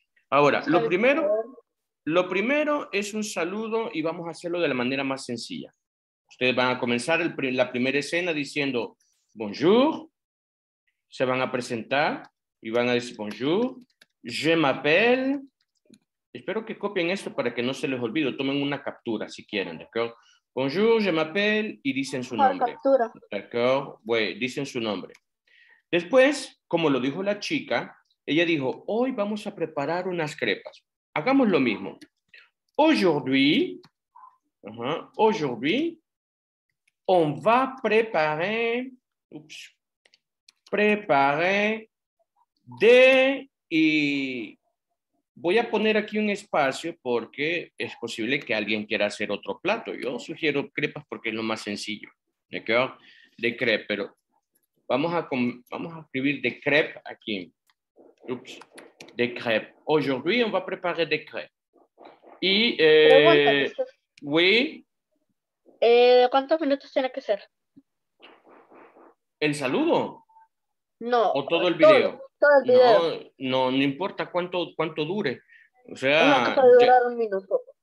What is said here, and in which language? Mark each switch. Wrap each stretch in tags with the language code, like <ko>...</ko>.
<es>Ahora, lo primero es un saludo y vamos a hacerlo de la manera más sencilla. Ustedes van a comenzar la primera escena diciendo,</es> <fr>bonjour.</fr> <es>Se van a presentar y van a decir</es> <fr>bonjour, je m'appelle.</fr> <es>Espero que copien esto para que no se les olvide. Tomen una captura si quieren,</es> <fr>¿d'accord? Bonjour, je m'appelle</fr> <es>y dicen su nombre. Captura.</es> <fr>¿D'accord?</fr> <es>Bueno, dicen su nombre. Después, como lo dijo la chica, ella dijo, hoy vamos a preparar unas crepas. Hagamos lo mismo.</es> <fr>Aujourd'hui, aujourd'hui, on va preparer, ups, préparer des,</fr> <es>y voy a poner aquí un espacio porque es posible que alguien quiera hacer otro plato. Yo sugiero crepas porque es lo más sencillo, ¿de qué? De crepe, pero vamos a escribir de crepe aquí. Ups, de crepe.</es> <fr>Aujourd'hui, on va préparer de crepe.</fr> <es>Y, pregunta, ¿cuántos minutos tiene que ser? El saludo. No, o todo el video. Todo el video. No, no, no importa cuánto dure. O sea, no va a durar un minuto.</es>